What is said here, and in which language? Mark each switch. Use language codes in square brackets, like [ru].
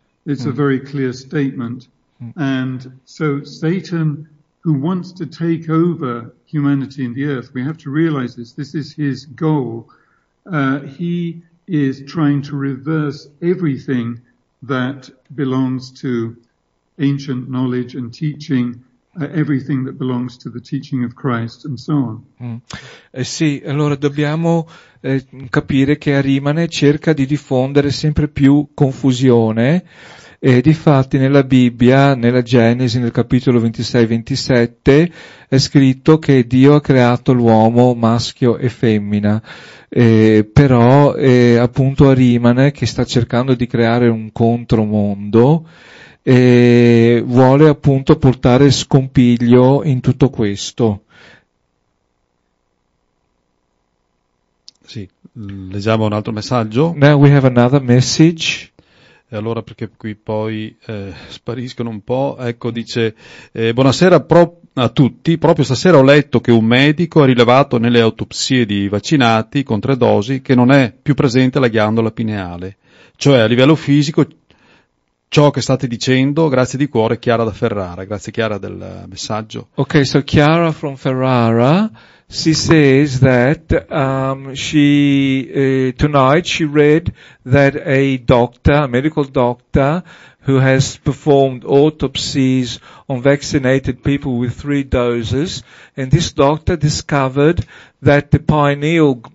[en] It's a very clear statement. And so Satan, who wants to take over humanity and the earth, we have to realize this, this is his goal. He is trying to reverse everything that belongs to ancient knowledge and teaching, everything that belongs to the teaching of Christ and so on. [it] Sì, allora dobbiamo capire che Ahriman cerca di diffondere sempre più confusione. E difatti nella Bibbia, nella Genesi, nel capitolo 26-27, è scritto che Dio ha creato l'uomo maschio e femmina. Però appunto Ahriman, che sta cercando di creare un contromondo, vuole appunto portare scompiglio in tutto questo. Sì, leggiamo un altro messaggio. [en] Now we have another message. [it] E allora, perché qui poi spariscono un po', ecco, dice: buonasera a tutti, proprio stasera ho letto che un medico ha rilevato nelle autopsie di vaccinati con 3 dosi che non è più presente la ghiandola pineale, cioè a livello fisico ciò che state dicendo. Grazie di cuore, Chiara da Ferrara. Grazie Chiara del messaggio. [en] Ok, so Chiara from Ferrara, she says that tonight she read that a doctor, a medical doctor, who has performed autopsies on vaccinated people with 3 doses, and this doctor discovered that the pineal